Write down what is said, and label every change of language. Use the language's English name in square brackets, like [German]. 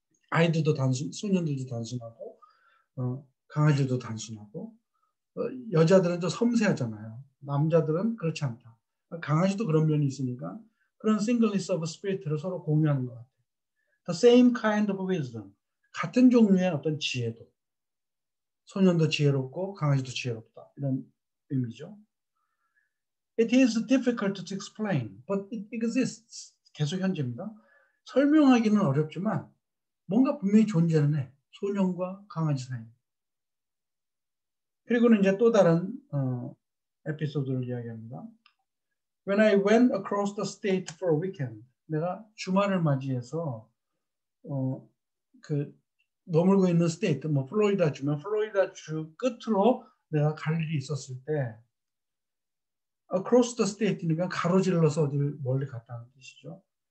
[Korean] 아이들도 단순, 소년들도 단순하고, 강아지도 단순하고, 여자들은 좀 섬세하잖아요. 남자들은 그렇지 않다. 강아지도 그런 면이 있으니까 그런 [English] singleness of spirit [Korean] 를 서로 공유하는 것 같아요. [English] The same kind of wisdom. [Korean] 같은 종류의 어떤 지혜도. 소년도 지혜롭고 강아지도 지혜롭다. 이런 의미죠. [English] It is difficult to explain, but it exists. [Korean] 계속 현재입니다. 설명하기는 어렵지만 뭔가 분명히 존재는 해. 소년과 강아지 사이. 그리고는 이제 또 다른 에피소드를 이야기합니다. [English] When I went across the state for a weekend, [Korean] 내가 주말을 맞이해서 그 머물고 있는 스테이트, 뭐 플로리다 주면 플로리다 주 끝으로 내가 갈 일이 있었을 때, [English] across the state [Korean] 니까 가로질러서 어디 멀리 갔다는 뜻이죠.